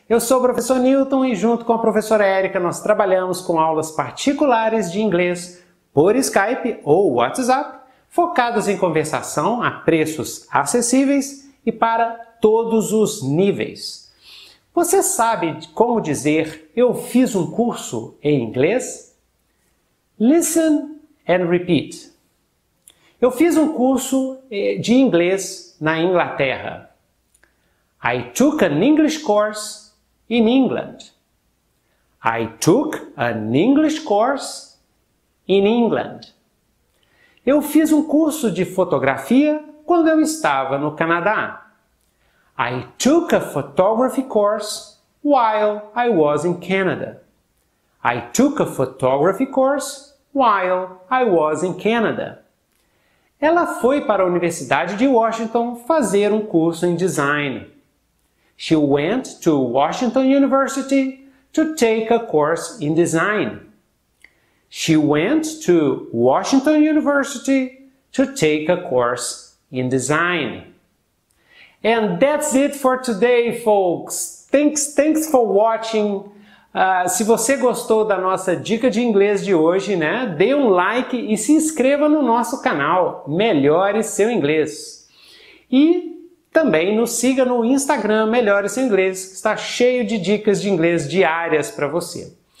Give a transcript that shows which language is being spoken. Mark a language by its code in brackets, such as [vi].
[pt] Eu sou o professor Newton e junto com a professora Erika nós trabalhamos com aulas particulares de inglês por Skype ou WhatsApp, focadas em conversação a preços acessíveis e para todos os níveis. Você sabe como dizer eu fiz um curso em inglês? [en] Listen and repeat. [pt] Eu fiz um curso de inglês na Inglaterra. [en] I took an English course in England. I took an English course in England. [pt] Eu fiz um curso de fotografia quando eu estava no Canadá. [en] I took a photography course while I was in Canada. I took a photography course while I was in Canada. [pt] Ela foi para a Universidade de Washington fazer um curso em design. [en] She went to Washington University to take a course in design. She went to Washington University to take a course in design. And that's it for today, folks. Thanks for watching. [pt] Se você gostou da nossa dica de inglês de hoje, né, dê um like e se inscreva no nosso canal, Melhore Seu Inglês. E também nos siga no Instagram, Melhore Seu Inglês, que está cheio de dicas de inglês diárias para você.